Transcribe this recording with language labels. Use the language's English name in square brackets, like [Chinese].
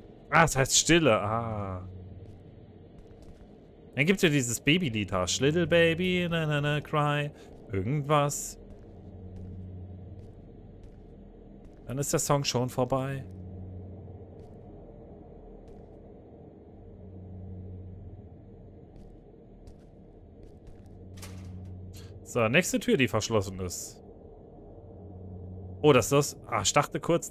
[German] Ah, es heißt Stille. Ah. Dann gibt es ja dieses Babylied. [English] Hush, little baby, na, na, na, cry. [German] Irgendwas. Dann ist der Song schon vorbei. So, nächste Tür, die verschlossen ist. Oh, das ist. Ah, ich dachte kurz.